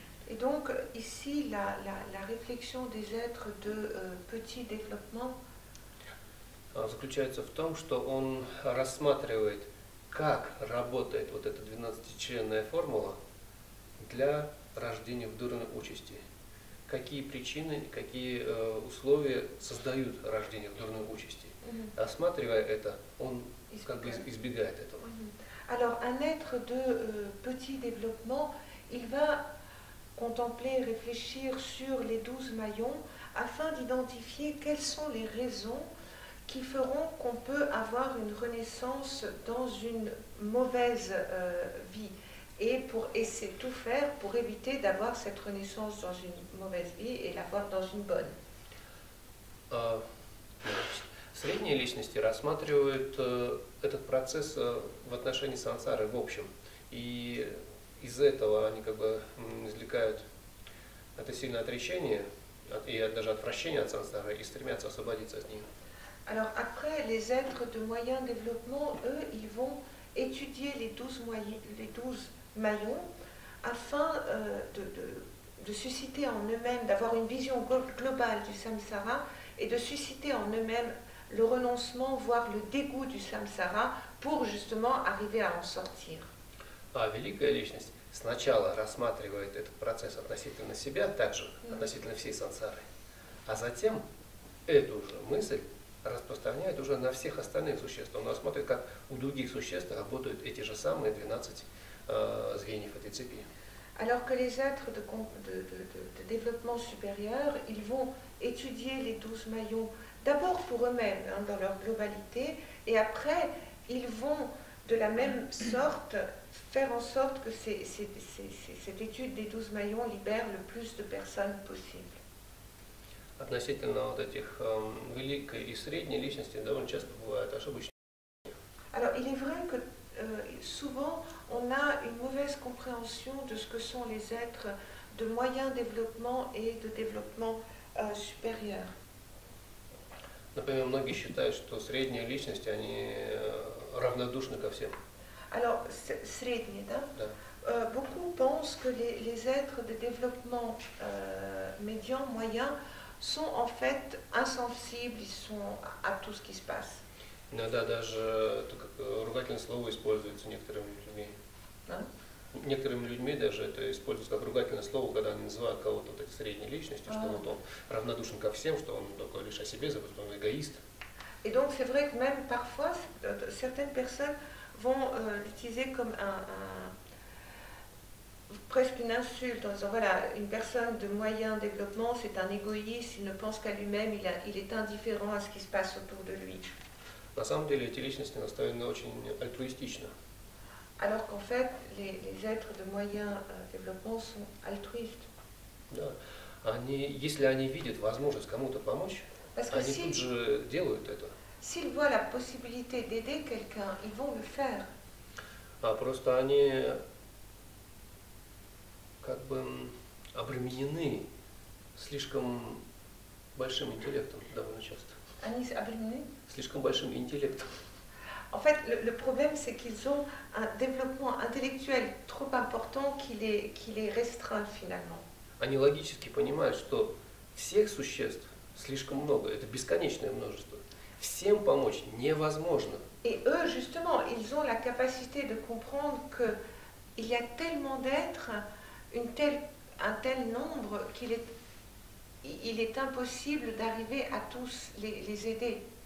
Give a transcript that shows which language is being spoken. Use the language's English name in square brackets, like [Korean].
[French] Et donc ici, la réflexion des êtres de petit développement [Russian] заключается в том, что он рассматривает, как работает вот эта 12-членная формула для рождения в дурной участи. Какие причины, какие условия создают рождение в дурной участи. Mm-hmm. Осматривая это, он как бы избегает этого. Mm-hmm. [French] Alors, un être de petit développement, il va contempler, réfléchir sur les 12 maillons afin d'identifier quelles sont les raisons qui feront qu'on peut avoir une renaissance dans une mauvaise vie et pour essayer tout faire pour éviter d'avoir cette renaissance dans une mauvaise vie et l'avoir dans une bonne. [Russian] Средние личности рассматривают этот процесс в отношении сансары в общем. И из этого они как бы извлекают это сильное отречение и даже отвращение от сансары и стремятся освободиться от них. [French] Alors après, les êtres de moyen développement, eux, ils vont étudier les douze maillons afin de susciter en eux-mêmes, d'avoir une vision globale du samsara et de susciter en eux-mêmes le renoncement, voire le dégoût du samsara pour justement arriver à en sortir. [Russian] La великая личность сначала рассматривает этот процесс относительно себя также, относительно всей сансары, а затем эту же мысль распространяет уже на всех остальных существ. Он смотрит, как у других существ работают эти же самые 12 звеньев этой цепи. [French] Alors que les êtres de développement supérieur, ils vont étudier les 12 maillons d'abord pour eux-mêmes, hein, dans leur globalité, et après, ils vont de la même sorte faire en sorte que cette étude des 12 maillons libère le plus de personnes possible. [Russian] Относительно вот этих великой и средней личности довольно часто бывают ошибочные. [French] Alors, il est vrai que souvent on a une mauvaise compréhension de ce que sont les êtres de moyen développement et de développement supérieur. [Russian] Например, многие считают, что средние личности они равнодушны ко всем. Alors, средние, да? Да. [French] Beaucoup pensent que les êtres de développement médian, moyen sont en fait insensibles, ils sont à tout ce qui se passe. [Russian] Иногда даже ругательное слово используется некоторыми людьми. Некоторыми людьми даже это используется как ругательное слово, когда они называют кого-то вот этой средней личностью, что вот он равнодушен ко всем, что он только лишь о себе забыл, что он эгоист. [French] Et donc c'est vrai que même parfois certaines personnes vont l'utiliser comme presque une insulte en disant voilà, une personne de moyen développement c'est un égoïste, il ne pense qu'à lui-même, il est indifférent à ce qui se passe autour de lui. [Russian] На самом деле эти личности настроены очень альтруистично. [French] Alors qu'en fait les êtres de moyen développement sont altruistes. [Russian] Да. Они, если они видят возможность кому-то помочь, они тут же делают это. [French] S'ils voient la possibilité d'aider quelqu'un, ils vont le faire. [Russian] А просто они как бы обременены слишком большим интеллектом довольно часто. Они обременены? Слишком большим интеллектом. [French] En fait, le problème, c'est qu'ils ont un développement intellectuel trop important qui les restreint finalement. [Russian] Они логически понимают, что всех существ слишком много, это бесконечное множество. Всем помочь невозможно. [French] Et eux, justement, ils ont la capacité de comprendre que il y a tellement d'êtres, un tel nombre qu'il est impossible d'arriver à tous les aider.